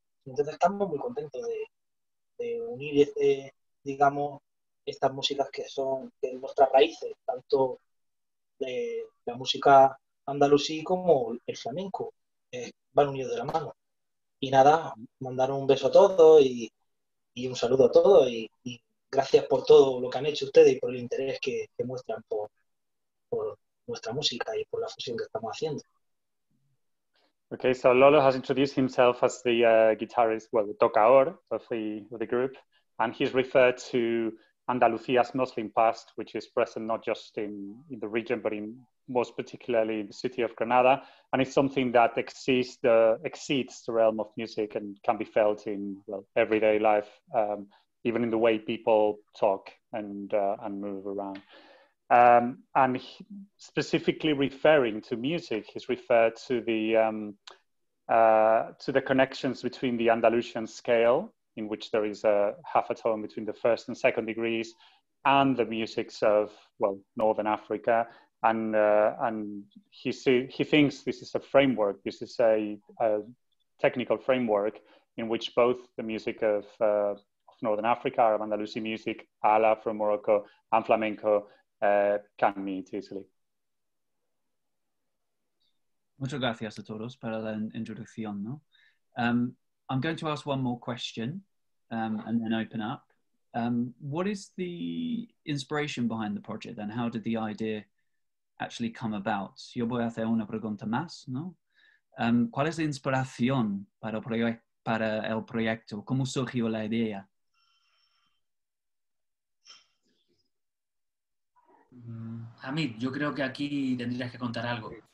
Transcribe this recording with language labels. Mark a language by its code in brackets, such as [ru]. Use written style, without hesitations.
[es] Entonces estamos muy contentos de unir, digamos, estas músicas que son de nuestras raíces, tanto de la música andalusí como el flamenco, van unidos de la mano. Y nada, mandar un beso a todos y un saludo a todos y gracias por todo lo que han hecho ustedes y por el interés que muestran por nuestra música y por la fusión que estamos haciendo. [en] Okay, so Lolo has introduced himself as the guitarist, well, the tocador of the group, and he's referred to Andalucía's Muslim past, which is present not just in the region, but in most particularly in the city of Granada, and it's something that exceeds the realm of music and can be felt in, well, everyday life, even in the way people talk and move around. Specifically referring to music, he's referred to the connections between the Andalusian scale, in which there is a half a tone between the first and second degrees, and the musics of, well, Northern Africa. And he thinks this is a framework, this is a technical framework in which both the music of Northern Africa, Arab Andalusi music, Ala from Morocco, and flamenco can meet easily. [es] Muchas gracias a todos para la introducción, ¿no? [en] I'm going to ask one more question and then open up. What is the inspiration behind the project then? How did the idea actually come about? [es] Yo voy a hacer una pregunta más, ¿no? ¿Cuál es la inspiración para el proyecto? ¿Cómo surgió la idea? Hamid, yo creo que aquí tendrías que contar algo.